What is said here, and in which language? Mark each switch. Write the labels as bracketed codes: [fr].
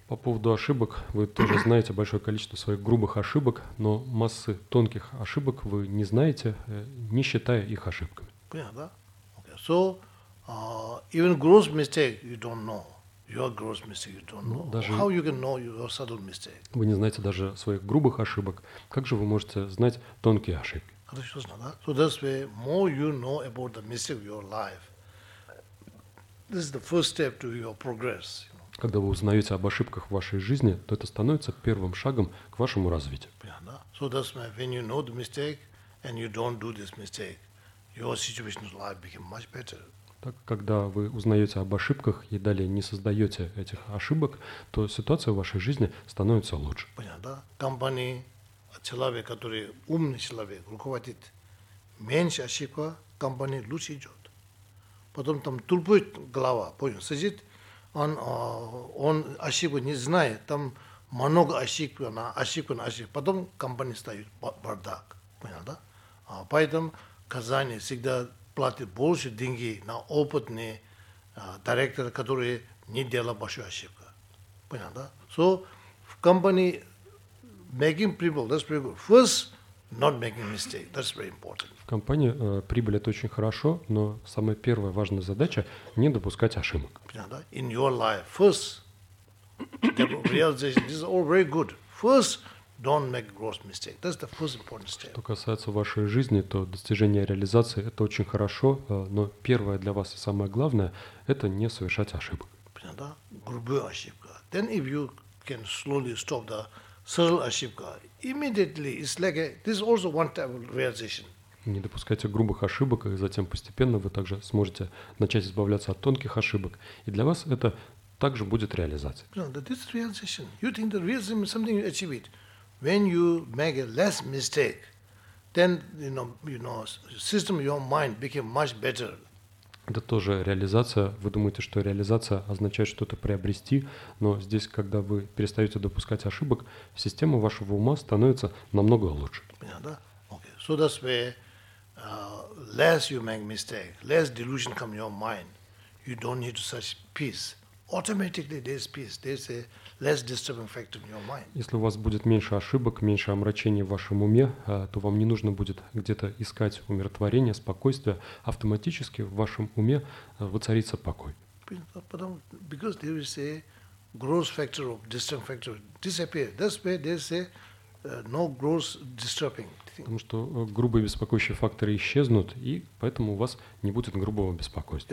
[ru] По поводу ошибок, вы тоже знаете большое количество своих грубых ошибок, но массы тонких ошибок вы не знаете, не считая их ошибками. [en] Yeah, [ru] да? [en] Okay. So, even gross mistake you don't know. Your gross mistake you don't know. [ru] Даже [en] how you can know your subtle mistake? [ru] Вы не знаете даже своих грубых ошибок. Как же вы можете знать тонкие ошибки? Хорошо, да? [en] So that's why more you know about the mistake of your life, this is the first step to your progress. [ru] Когда вы узнаете об ошибках в вашей жизни, то это становится первым шагом к вашему развитию. Понятно. [en] So that's why when you know the mistake and you don't do this mistake, your situation in life becomes much better. [ru] Так, когда вы узнаете об ошибках и далее не создаете этих ошибок, то ситуация в вашей жизни становится лучше. Понятно, да? Компании, человек, который умный человек, руководит, меньше ошибка, компания лучше идет. Потом там тупой глава, понял, сидит, он ошибку не знает, там много ошибок. Потом компания стоит бардак. Понятно, да? Поэтому Казани всегда платит больше деньги на опытные директора, которые не делали большую ошибку. Понятно, да? [en] So, [ru] в компании [en] making people, that's very good. First, not making mistake, that's very important. [ru] В компании прибыль – это очень хорошо, но самая первая важная задача – не допускать ошибок. Понятно, да? [en] In your life, first, realization, this is all very good. First, don't make gross mistake. That's the first important step. [ru] Что касается вашей жизни, то достижение реализации – это очень хорошо, но первое для вас и самое главное – это не совершать ошибок. Понятно, да? Грубая ошибка. [en] Then if you can slowly stop the subtle [ru] ошибка, [en] immediately it's like a, this is also one type of realization. [ru] Не допускайте грубых ошибок, и затем постепенно вы также сможете начать избавляться от тонких ошибок. И для вас это также будет реализация. Понятно, да? [en] This is realization. You think the realization is something you achieve it. When you make a less mistake, then you know system your mind became much better. [ru] Это тоже реализация. Вы думаете, что реализация означает что-то приобрести, но здесь, когда вы перестаете допускать ошибок, система вашего ума становится намного лучше. Понятно, да? [en] Okay. So that's where less you make mistake, less delusion come your mind, you don't need such peace. Automatically there's peace, there's a less disturbing factor in your mind. [ru] Если у вас будет меньше ошибок, меньше омрачений в вашем уме, то вам не нужно будет где-то искать умиротворение, спокойствие. Автоматически в вашем уме воцарится покой. [en] Because there is a gross factor of disturbing factor disappear. That's why they say no gross disturbing. [ru] Потому что грубые беспокоящие факторы исчезнут, и поэтому у вас не будет грубого беспокойства.